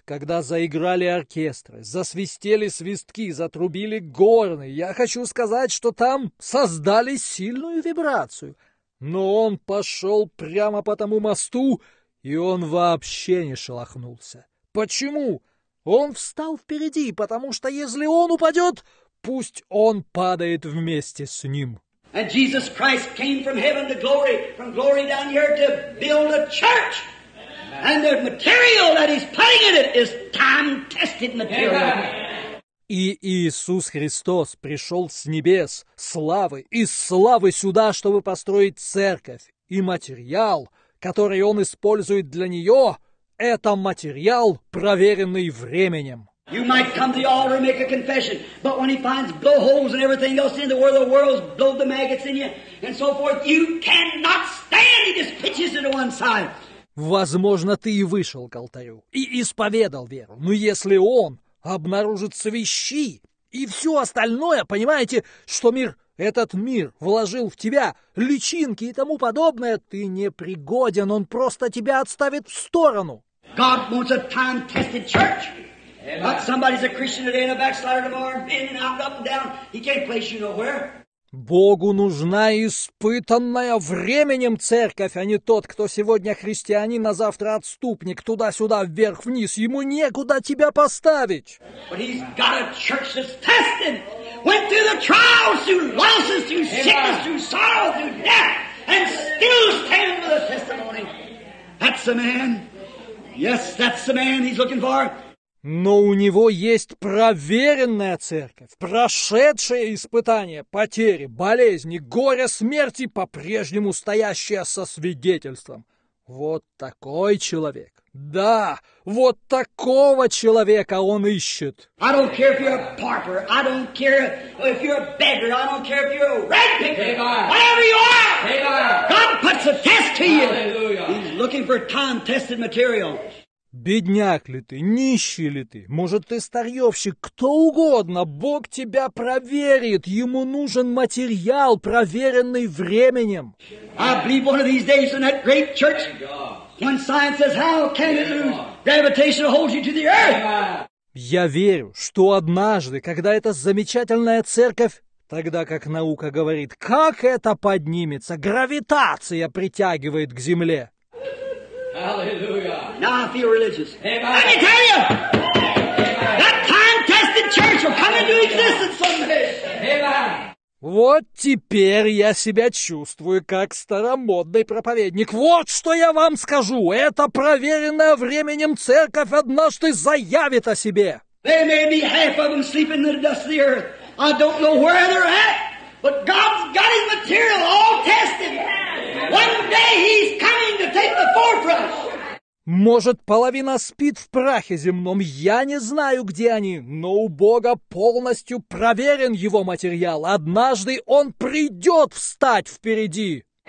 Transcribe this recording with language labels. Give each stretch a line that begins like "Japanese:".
Russian: Когда заиграли оркестры, засвистели свистки, затрубили горны, я хочу сказать, что там создали сильную вибрацию. Но он пошел прямо по тому мосту, и он вообще не шелохнулся. Почему? Он встал впереди, потому что если он упадет, пусть он падает вместе с ним.
English: And Jesus Christ came from heaven to glory, from glory down here to build a church. And the material that he's putting in it is time-tested material.
Russian: И Иисус Христос пришел с небес, славы, из славы сюда, чтобы построить церковь. И материал, который он использует для нее, это материал, проверенный временем.
English: You might come to the altar and make a confession, but when he finds blowholes and everything else in the world, the world's blowed the maggots in you, and so forth, you cannot stand, he just pitches it to one side.
Russian: Возможно, ты и вышел к алтарю, и исповедал веру, но если он обнаружит свищи и все остальное, понимаете, что мир, этот мир вложил в тебя личинки и тому подобное, ты не пригоден, он просто тебя отставит в сторону.
English: God wants a time-tested church. Not somebody's a Christian today and a backslider tomorrow, in and out, up and down. He can't place you nowhere.
Russian: Богу нужна испытанная временем церковь, а не тот, кто сегодня христианин, а завтра отступник, туда-сюда, вверх-вниз. Ему некуда тебя поставить.
English: But he's got a church that's tested, went through the trials, through losses, through sickness, through sorrow, through death, and still standing with a testimony. That's the man. Yes, that's the man he's looking for.
Russian: Но у него есть проверенная церковь, прошедшая испытания, потери, болезни, горе, смерти, по-прежнему стоящая со свидетельством. Вот такой человек. Да, вот такого человека он ищет.
English: I don't care if you're a pauper, I don't care if you're a beggar, I don't care if you're a ragpicker, whatever you are, God puts a test to you. He's looking for time-tested material.
Russian: Бедняк ли ты, нищий ли ты, может, ты старьевщик, кто угодно, Бог тебя проверит, ему нужен материал, проверенный временем.
English: I believe one of these days in that great church, when science says, how can it lose? Gravitation holds you to the earth.
Russian: Я верю, что однажды, когда эта замечательная церковь, тогда как наука говорит, как это поднимется, гравитация притягивает к земле.
English: Now I feel religious. Amen. Let me tell you, Amen. That time-tested church will come into existence someday.
Russian: Вот теперь я себя чувствую как старомодный проповедник. Вот что я вам скажу. Эта проверенная временем церковь однажды заявит о себе.
English: There may be half of them sleeping in the dust of the earth. I don't know where they're at, but God's got his material all tested. One day he's coming to take the forefront.
Russian: Может, половина спит в прахе земном, я не знаю, где они, но у Бога полностью проверен его материал. Однажды он придет встать впереди.